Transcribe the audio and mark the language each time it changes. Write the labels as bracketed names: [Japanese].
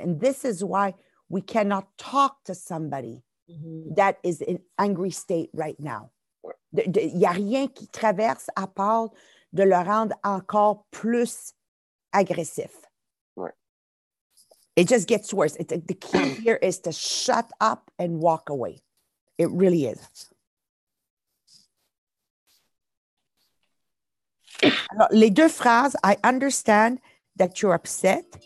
[English] And this is why we cannot talk to somebody mm-hmm. that is in angry state right now. [French] Il n'y a rien qui traverse à part de le rendre encore plus agressif. [English] Right. It just gets worse. The key here is to shut up and walk away. It really is. [French] Alors, les deux phrases, [English] I understand that you're upset.